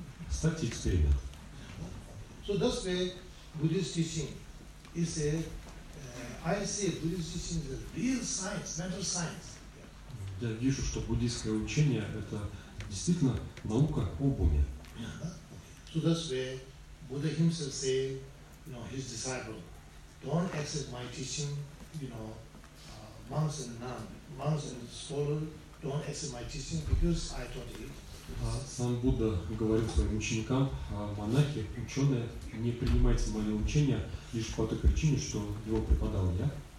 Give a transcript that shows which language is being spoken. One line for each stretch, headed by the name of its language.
Russian: Ставьте эксперимент.
English: So that's why Buddhist teaching is a, I say Buddhist teaching is a real science, mental science.
Russian: Я вижу, что буддийское учение – это действительно наука об уме.
English: So that's why Buddha himself say, you know, his disciple, don't accept my teaching, you know, monks and nuns, monks and scholars, don't accept my teaching because I taught it.
Russian: Сам Будда говорил своим ученикам, монахи, ученые, не принимайте мое учение лишь по той причине, что его преподал я.